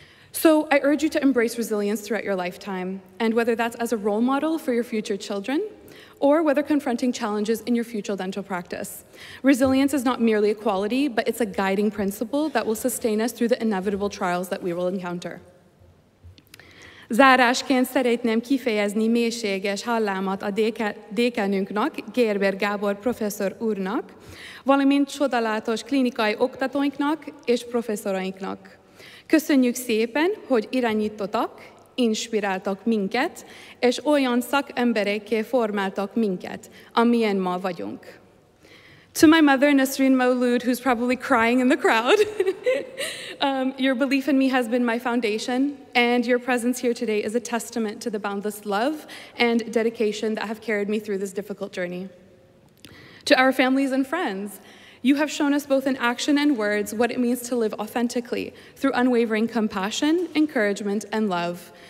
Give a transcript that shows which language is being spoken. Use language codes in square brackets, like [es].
[en] So I urge you to embrace resilience throughout your lifetime, and whether that's as a role model for your future children, or whether confronting challenges in your future dental practice. Resilience is not merely a quality, but it's a guiding principle that will sustain us through the inevitable trials that we will encounter. [hu] Záráskén szeretném kifejezni mélységes hallámat a dékánünknak, Gerber Gábor professzor úrnak, valamint csodálatos klinikai oktatóinknak és professzorainknak. Köszönjük szépen, hogy irányítottak, inspiráltak minket, és olyan szakemberekké formáltak minket, amilyen ma vagyunk. [en] To my mother, Nasreen Maulud, who's probably crying in the crowd, your belief in me has been my foundation, and your presence here today is a testament to the boundless love and dedication that have carried me through this difficult journey. To our families and friends, you have shown us both in action and words what it means to live authentically through unwavering compassion, encouragement, and love.